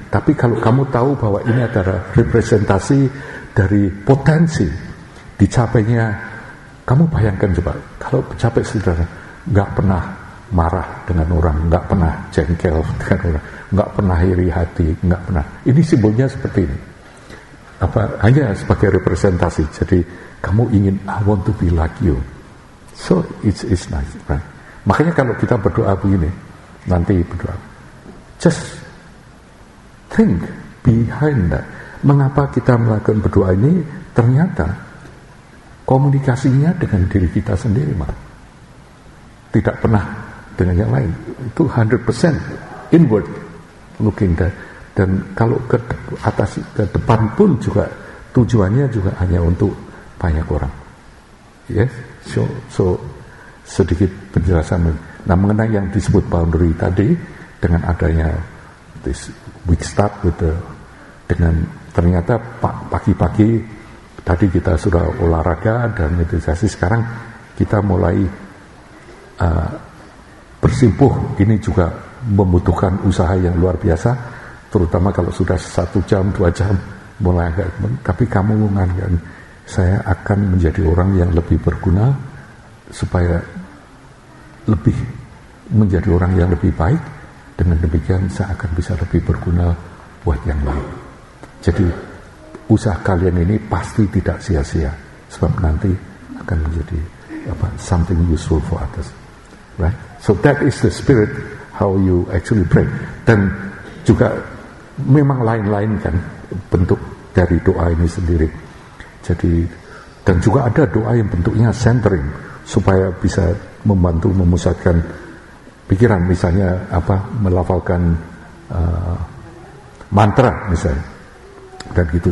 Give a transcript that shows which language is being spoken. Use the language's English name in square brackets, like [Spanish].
[Indonesian] Tapi kalau kamu tahu bahwa ini adalah representasi dari potensi dicapainya, kamu bayangkan coba, kalau capai saudara enggak pernah marah dengan orang, enggak pernah jengkel dengan orang, enggak pernah iri hati, enggak pernah. Ini simbolnya seperti ini. Apa, hanya sebagai representasi. Jadi kamu ingin, [English] I want to be like you. So it's nice, right? [Indonesian] Makanya kalau kita berdoa begini, nanti berdoa, [English] just think behind that. [Indonesian] Mengapa kita melakukan berdoa ini? Ternyata komunikasinya dengan diri kita sendiri, Ma. Tidak pernah dengan yang lain. Itu [English] 100% inward looking that. [Indonesian] Dan kalau ke atas, ke depan pun juga tujuannya juga hanya untuk banyak orang. [English] Yes, so [Indonesian] sedikit penjelasan. Nah, mengenai yang disebut boundary tadi, dengan adanya [English] this week start with the, [Indonesian] dengan ternyata pagi-pagi tadi kita sudah olahraga dan meditasi, sekarang kita mulai bersimpuh. Ini juga membutuhkan usaha yang luar biasa, terutama kalau sudah 1 jam 2 jam mulai agak, tapi kamu mengatakan saya akan menjadi orang yang lebih berguna supaya lebih menjadi orang yang lebih baik, dengan demikian saya akan bisa lebih berguna buat yang lain. Jadi usaha kalian ini pasti tidak sia-sia, sebab nanti akan menjadi apa, [English] something useful for others, right? So that is the spirit how you actually pray. [Indonesian] Dan juga memang lain-lain kan bentuk dari doa ini sendiri. Jadi, dan juga ada doa yang bentuknya centering supaya bisa membantu memusatkan pikiran, misalnya apa, melafalkan mantra misalnya, dan gitu.